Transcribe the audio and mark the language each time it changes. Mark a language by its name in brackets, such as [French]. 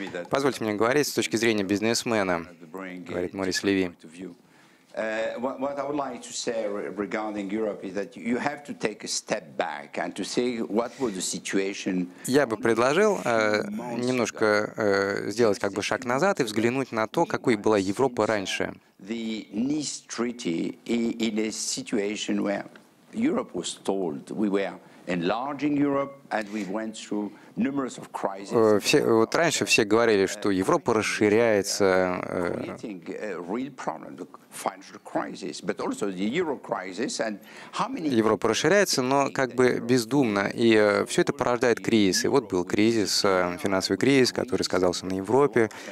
[Russian] Позвольте мне говорить с точки зрения бизнесмена, говорит Морис Леви. [English] What I would like to say regarding Europe is that you have to take a step back and to see what was the situation. [Russian] Я бы предложил немножко сделать как бы шаг назад и взглянуть на то, какой была Европа раньше. [English] The Nice Treaty in a situation where Europe was told we were enlarging Europe and we went through. [Russian] Вот раньше все говорили, что Европа расширяется. Европа расширяется, но как бы бездумно, и все это порождает кризис. И вот был кризис, финансовый кризис, который сказался на Европе.